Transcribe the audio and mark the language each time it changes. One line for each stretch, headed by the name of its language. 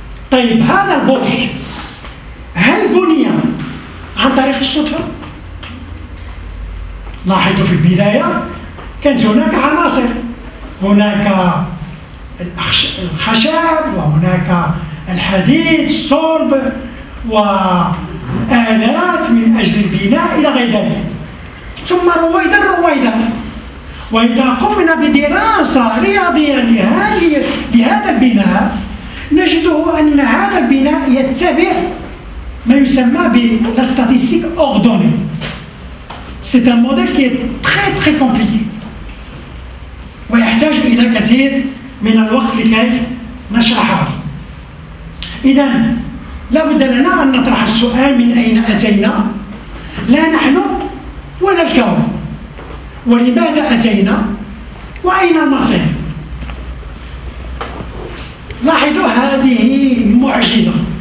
Arabic: طيب هذا البرج هل بني عن طريق الصدفة؟ لاحظوا في البداية كانت هناك عناصر، هناك الخشب وهناك الحديد الصلب وآلات من أجل البناء إلى غير ذلك، ثم رويدا رويدا. وإذا قمنا بدراسة رياضية لهذا البناء نجده أن هذا البناء يتبع ما يسمى بالاستاتيستيك أوردوني.
French: C'est un modèle qui est très très compliqué.
Arabic: ويحتاج إلى كثير من الوقت لكي نشرحه. إذن لابد لنا أن نطرح السؤال من أين أتينا؟ لا نحن ولا الكون. ولماذا أتينا؟ وأين المصير؟ لاحظوا هذه معجزة.